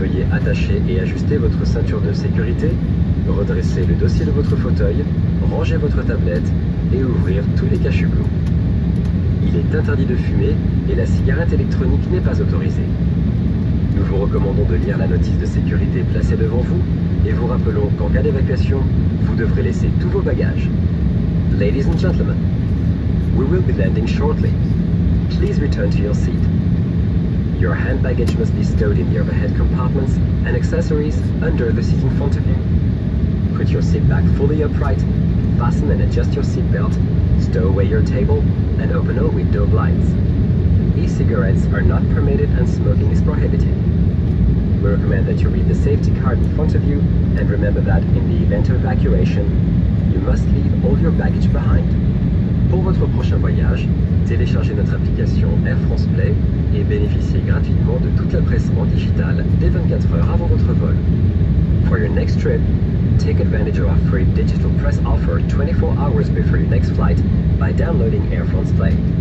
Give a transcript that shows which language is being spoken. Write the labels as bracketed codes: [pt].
[fr] Veuillez attacher et ajuster votre ceinture de sécurité, redresser le dossier de votre fauteuil, ranger votre tablette et ouvrir tous les cachets. Il est interdit de fumer et la cigarette électronique n'est pas autorisée. Nous vous recommandons de lire la notice de sécurité placée devant vous et vous rappelons qu'en cas d'évacuation, vous devrez laisser tous vos bagages. [en] Ladies and gentlemen, we will be landing shortly. Please return to your seat. Your hand baggage must be stowed in the overhead compartments and accessories under the seat in front of you. Put your seat back fully upright, fasten and adjust your seat belt, stow away your table, and open all window blinds. E-cigarettes are not permitted and smoking is prohibited. We recommend that you read the safety card in front of you and remember that in the event of evacuation, you must leave all your baggage behind. [fr] Pour votre prochain voyage, téléchargez notre application Air France Play et bénéficiez gratuitement de toute la presse en digital dès 24 heures avant votre vol. [en] For your next trip, take advantage of our free digital press offer 24 hours before your next flight by downloading Air France Play.